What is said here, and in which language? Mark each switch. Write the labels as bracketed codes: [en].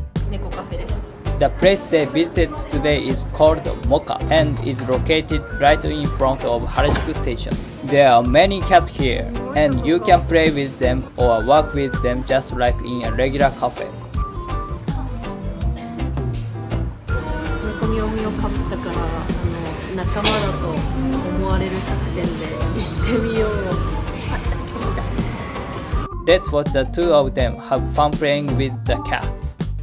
[ja] 猫カフェです。 [en] The place they visited today is called Mocha and is located right in front of Harajuku Station. There are many cats here, and you can play with them or work with them just like in a regular cafe. [ja] 猫身を被ったから、仲間だと思われる作戦で行ってみよう。 [en] That's what the two of them have fun playing with the cats.